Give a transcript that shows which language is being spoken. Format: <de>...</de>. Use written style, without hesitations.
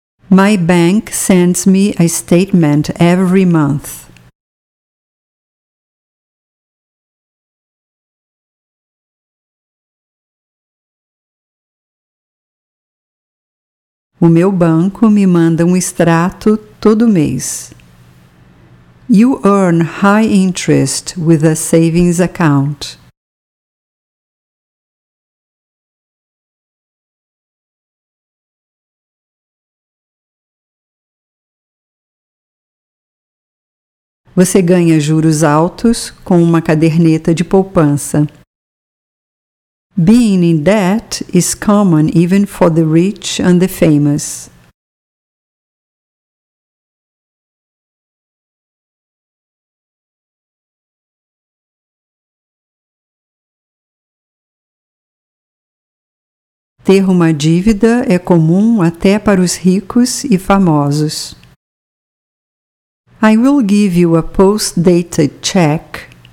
<en>My bank sends me a statement every month.</en> <pt>O meu banco me manda um extrato todo mês.</pt> <en>You earn high interest with a savings account.</en> <pt>Você ganha juros altos com uma caderneta de poupança.</pt> <en>Being in debt is common even for the rich and the famous.</en> <pt>Ter uma dívida é comum até para os ricos e famosos.</pt> <en>I will give you a post-dated check.</en>